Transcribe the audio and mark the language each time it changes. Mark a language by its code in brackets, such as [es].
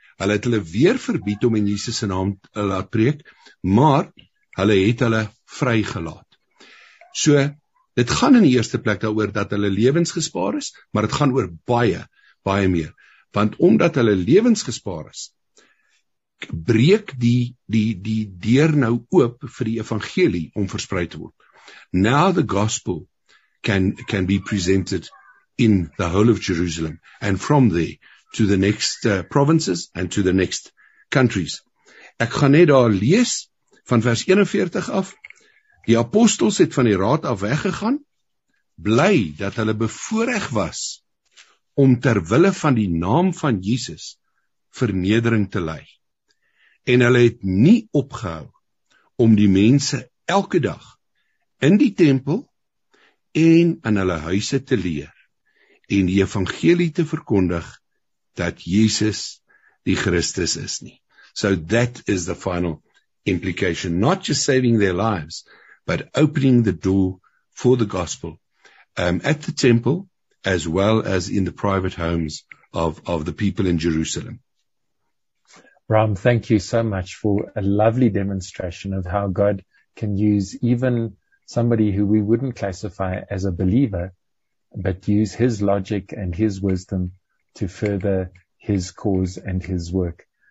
[af] Hulle het hulle weer verbied om in Jesus se naam laat preek, maar hulle het hulle vrygelaat. So, dit gaan in die eerste plek daaroor dat hulle lewens gespaar is, maar dit gaan oor baie, baie meer. Want omdat hulle lewens gespaar is, breek die deur nou oop vir die evangelie om versprei te word. [en] Now the gospel can be presented in the whole of Jerusalem and from there to the next provinces and to the next countries. [af] Ek gaan net daar lees van vers 41 af. Die apostels het van die raad af weggegaan, bly dat hulle bevoorreg was om ter wille van die naam van Jesus vernedering te lei. En hulle het nie opgehou om die mense elke dag in die tempel en in hulle huise te leer en die evangelie te verkondig dat Jesus die Christus is nie. [en] So that is the final implication, not just saving their lives, but opening the door for the gospel at the temple, as well as in the private homes of the people in Jerusalem. Ram, thank you so much for a lovely demonstration of how God can use even somebody who we wouldn't classify as a believer, but use his logic and his wisdom to further his cause and his work.